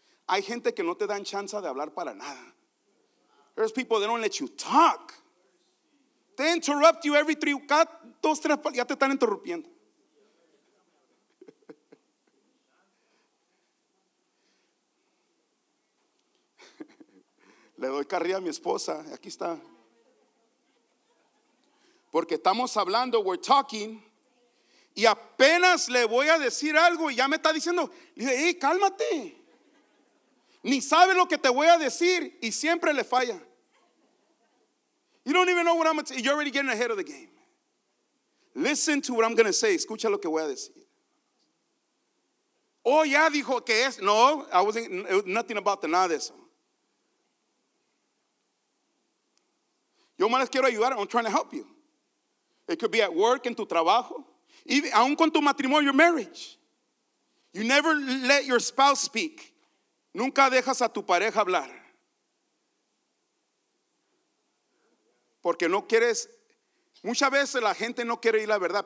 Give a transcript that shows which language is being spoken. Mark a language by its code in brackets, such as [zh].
[es] Hay gente que no te dan chance de hablar para nada. [en] There's people that don't let you talk. They interrupt you every three, [es] cada dos, tres, ya te están interrumpiendo. Le doy carrilla a mi esposa, aquí está. Porque estamos hablando, [en] we're talking, [es] y apenas le voy a decir algo y ya me está diciendo, dice, hey, cálmate. Ni sabe lo que te voy a decir y siempre le falla. [en] You don't even know what I'm going to say. You're already getting ahead of the game. Listen to what I'm going to say. [es] Escucha lo que voy a decir. Oh, ya dijo que es. No, [en] I wasn't, nothing about the, [es] nada de eso. Yo más les quiero ayudar. [en] I'm trying to help you. It could be at work, [es] en tu trabajo. Even, aún con tu matrimonio, [en] your marriage. You never let your spouse speak. [es] Nunca dejas a tu pareja hablar. Porque no quieres, muchas veces la gente no quiere oír la verdad.